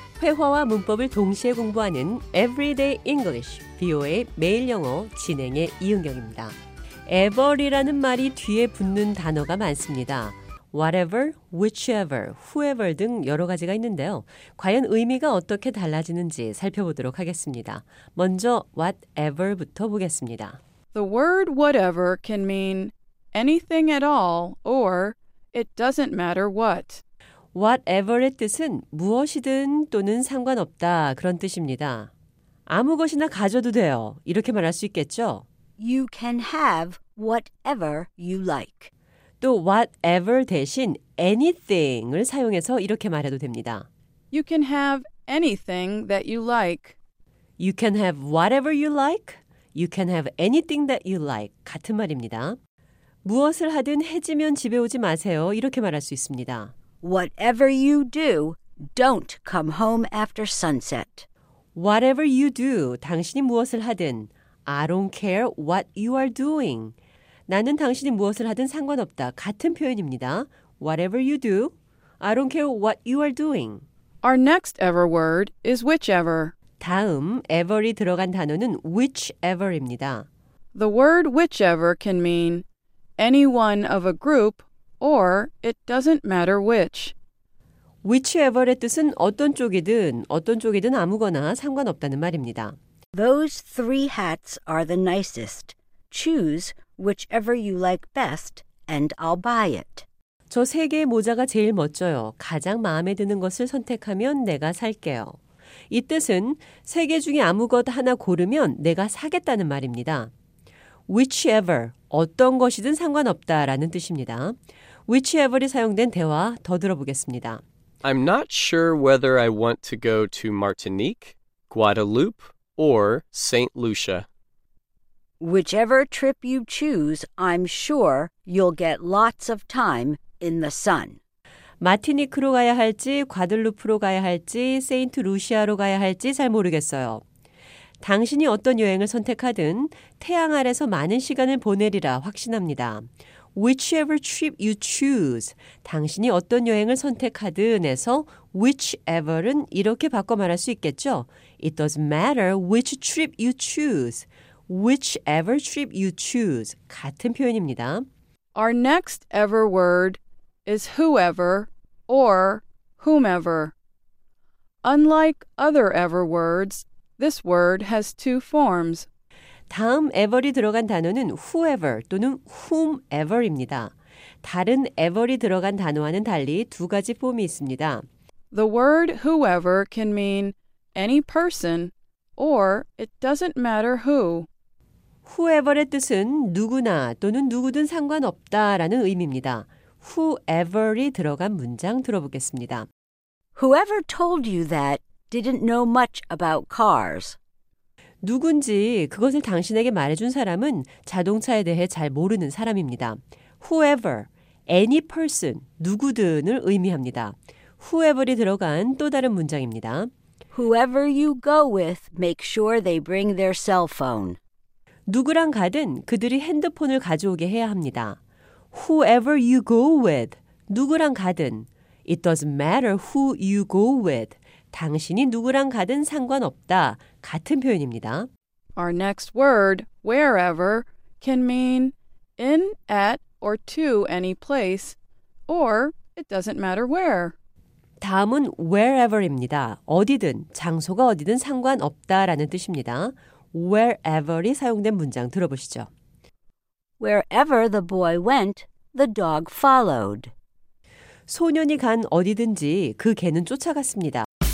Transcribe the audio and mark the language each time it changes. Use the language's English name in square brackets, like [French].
[Korean] 회화와 문법을 동시에 공부하는 Everyday English, BOA 매일 영어 진행의 이은경입니다. ever이라는 말이 뒤에 붙는 단어가 많습니다. whatever, whichever, whoever 등 여러 가지가 있는데요. 과연 의미가 어떻게 달라지는지 살펴보도록 하겠습니다. 먼저 whatever부터 보겠습니다. [English] The word whatever can mean anything at all or it doesn't matter what. [Korean] whatever의 뜻은 무엇이든 또는 상관없다 그런 뜻입니다. 아무 것이나 가져도 돼요. 이렇게 말할 수 있겠죠? [English] You can have whatever you like. [Korean] 또 whatever 대신 anything을 사용해서 이렇게 말해도 됩니다. [English] You can have anything that you like. You can have whatever you like. You can have anything that you like. [Korean] 같은 말입니다. 무엇을 하든 해지면 집에 오지 마세요. 이렇게 말할 수 있습니다. [English] Whatever you do, don't come home after sunset. Whatever you do, [Korean] 당신이 무엇을 하든, [English] I don't care what you are doing. [Korean] 나는 당신이 무엇을 하든 상관없다. 같은 표현입니다. [English] Whatever you do, I don't care what you are doing. Our next ever word is whichever. [Korean] 다음 ever이 들어간 단어는 whichever입니다. [English] The word whichever can mean any one of a group or it doesn't matter which. [Korean] Whichever의 뜻은 어떤 쪽이든 아무거나 상관없다는 말입니다. [English] Those three hats are the nicest. Choose whichever you like best and I'll buy it. [Korean] 저 세 개의 모자가 제일 멋져요. 가장 마음에 드는 것을 선택하면 내가 살게요. 이 뜻은 세 개 중에 아무것 하나 고르면 내가 사겠다는 말입니다. Whichever, 어떤 것이든 상관없다라는 뜻입니다. Whichever이 사용된 대화 더 들어보겠습니다. [English] I'm not sure whether I want to go to Martinique, Guadeloupe, or St. Lucia. Whichever trip you choose, I'm sure you'll get lots of time in the sun. [Korean] 마티니크로 가야 할지, 과들루프로 가야 할지, 세인트 루시아로 가야 할지 잘 모르겠어요. 당신이 어떤 여행을 선택하든 태양 아래서 많은 시간을 보내리라 확신합니다. [English] whichever trip you choose. [Korean] 당신이 어떤 여행을 선택하든 해서 whichever은 이렇게 바꿔 말할 수 있겠죠. [English] It doesn't matter which trip you choose. Whichever trip you choose. [Korean] 같은 표현입니다. [English] Our next ever word is whoever or whomever. Unlike other ever words, this word has two forms. [Korean] 다음 ever이 들어간 단어는 whoever 또는 whomever입니다. 다른 ever이 들어간 단어와는 달리 두 가지 폼이 있습니다. [English] The word whoever can mean any person or it doesn't matter who. [Korean] Whoever의 뜻은 누구나 또는 누구든 상관없다라는 의미입니다. Whoever이 들어간 문장 들어보겠습니다. [English] Whoever told you that didn't know much about cars. [Korean] 누군지 그것을 당신에게 말해준 사람은 자동차에 대해 잘 모르는 사람입니다. [English] Whoever, any person, [Korean] 누구든을 의미합니다. Whoever이 들어간 또 다른 문장입니다. [English] Whoever you go with, make sure they bring their cell phone. [Korean] 누구랑 가든 그들이 핸드폰을 가져오게 해야 합니다. [English] Whoever you go with, [Korean] 누구랑 가든, [English] it doesn't matter who you go with. [Korean] 당신이 누구랑 가든 상관없다. 같은 표현입니다. [English] Our next word, wherever, can mean in, at, or to any place, or it doesn't matter where. [Korean] 다음은 wherever입니다. 어디든, 장소가 어디든 상관없다라는 뜻입니다. Wherever이 사용된 문장 들어보시죠. [English] Wherever the boy went, the dog followed. [Korean] 소년이 간 어디든지 그 개는 쫓아갔습니다.